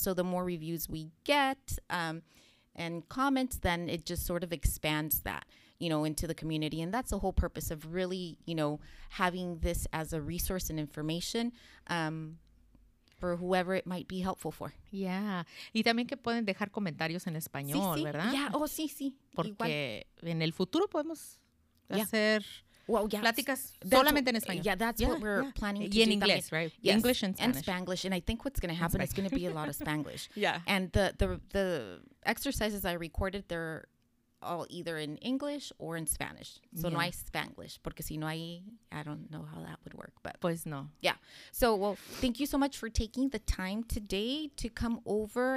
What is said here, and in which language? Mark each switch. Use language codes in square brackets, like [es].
[en] So the more reviews we get and comments, then it just sort of expands that, you know, into the community. And that's the whole purpose of really, you know, having this as a resource and information for whoever it might be helpful for. Yeah. [es] Y también que pueden dejar comentarios en español, sí, sí. ¿Verdad? [en] Yeah. [es] Oh, sí, sí. Porque igual. En el futuro podemos hacer pláticas solamente en español. [en] Yeah, that's what we're planning to [es] do. Y en inglés, right? [en] Yes. English and Spanish. And Spanglish. And I think what's going to happen is going to be a lot of Spanglish. Yeah. And the exercises I recorded, they're all either in English or in Spanish. So [es] no hay Spanglish, porque si no hay, [en] I don't know how that would work. But [es] pues no. [en] Yeah. So, well, thank you so much for taking the time today to come over.